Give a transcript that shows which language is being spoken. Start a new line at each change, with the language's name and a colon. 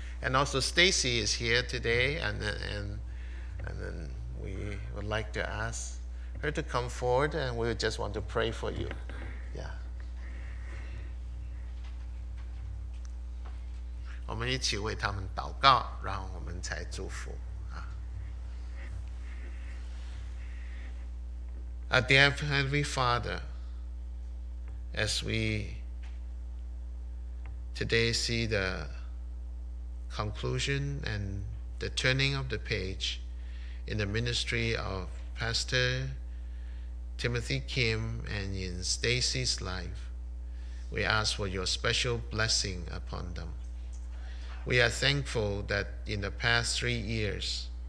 English: And also Stacy is here today, and then we would like to ask her to come forward, and we just want to pray for you. Yeah.
Chinese: 我们一起为他们祷告，然后我们才祝福。
English: Dear Heavenly Father,As we today see the conclusion and the turning of the page in the ministry of Pastor Timothy Kim and in Stacy's life, we ask for your special blessing upon them. We are thankful that in the past 3 years,